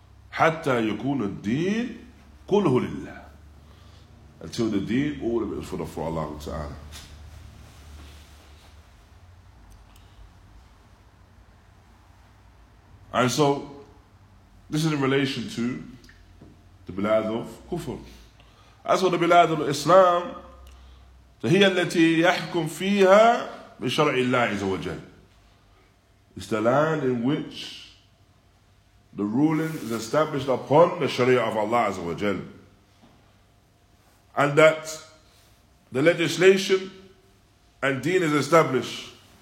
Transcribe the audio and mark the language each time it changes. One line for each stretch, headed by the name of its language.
Arabic: Hatta yakuna ad-din kulluhu lillah.
English: Until the deen, all of it is for Allah Ta'ala. And so, this is in relation to the bilad of kufr. As for the bilad of Islam,
Arabic: فهي التي يحكم فيها بشرع الله عز وجل.
English: It's the land in which the ruling is established upon the Sharia of Allah عز وجل. And that the legislation and deen is established.